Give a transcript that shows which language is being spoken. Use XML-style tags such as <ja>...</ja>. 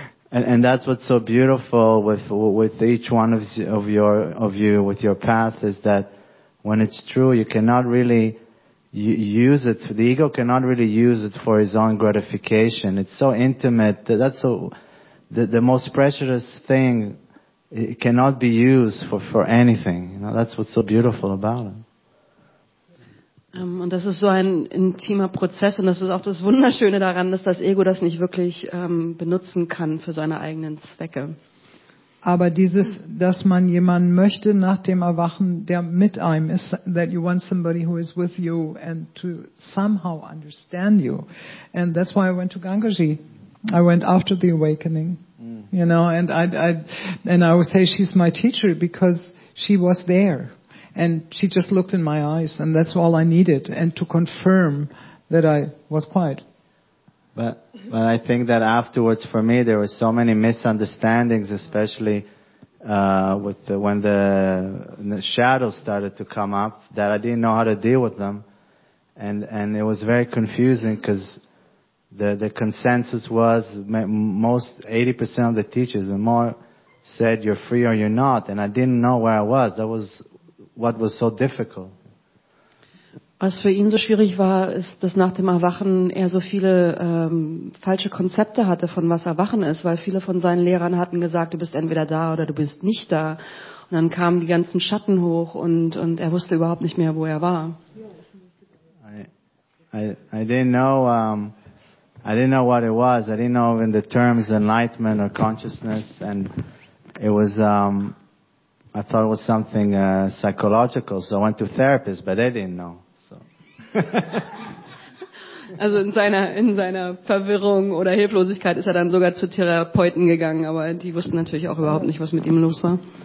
<en>And that's what's so beautiful with each one of you with your path is that when it's true, you cannot really use it. The ego cannot really use it for his own gratification. It's so intimate. That's so the most precious thing, it cannot be used for anything. You know, that's what's so beautiful about it.</en> <de>Und das ist so ein intimer Prozess, und das ist auch das Wunderschöne daran, dass das Ego das nicht wirklich benutzen kann für seine eigenen Zwecke. Aber dieses, dass man jemanden möchte nach dem Erwachen, der mit einem ist,</de> <en>that you want somebody who is with you and to somehow understand you. And that's why I went to Gangaji. I went after the awakening. You know, and I would say she's my teacher because she was there. And she just looked in my eyes, and that's all I needed, and to confirm that I was quiet. But I think that afterwards, for me, there were so many misunderstandings, especially when the shadows started to come up, that I didn't know how to deal with them, and it was very confusing because the consensus was most 80% of the teachers and more said you're free or you're not, and I didn't know where I was. That was what was so difficult.</en> <de>Was für ihn so schwierig war, ist, dass nach dem Erwachen er so viele falsche Konzepte hatte von was Erwachen ist, weil viele von seinen Lehrern hatten gesagt, du bist entweder da oder du bist nicht da. Und dann kamen die ganzen Schatten hoch und er wusste überhaupt nicht mehr, wo er war.</de> <en>I didn't know what it was. I didn't know even the terms enlightenment or consciousness, and it was I thought it was something psychological, so I went to therapists, but they didn't know. So.</en> <de>Also in seiner Verwirrung oder Hilflosigkeit ist er dann sogar zu Therapeuten gegangen, aber die wussten natürlich auch überhaupt nicht, was mit ihm los war.</de>